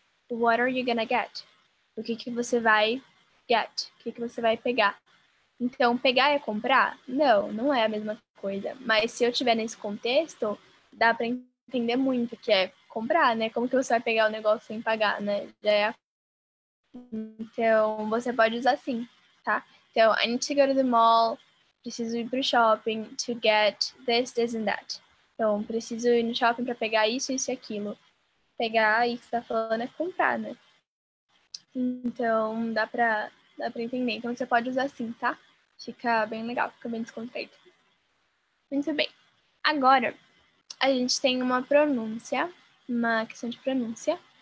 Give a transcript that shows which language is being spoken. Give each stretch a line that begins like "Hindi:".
English: What are you gonna get?
Portuguese: O que que você vai get? O que que você vai pegar? Então, pegar é comprar? Não, não é a mesma coisa. Mas se eu estiver nesse contexto, dá para entender muito que é comprar, né? Como que você vai pegar o negócio sem pagar, né? Já é... então, você pode usar sim, tá? Então,
English: I need to go to the mall.
Portuguese: Preciso ir pro shopping
English: to get this, this and that.
Portuguese: Então, preciso ir no shopping para pegar isso, isso e aquilo. Pegar, aí você tá falando, é comprar, né? Então, dá para... dá pra entender. Então, você pode usar assim, tá? Fica bem legal, fica bem descontraído. Muito bem. Agora, a gente tem uma pronúncia, uma questão de pronúncia.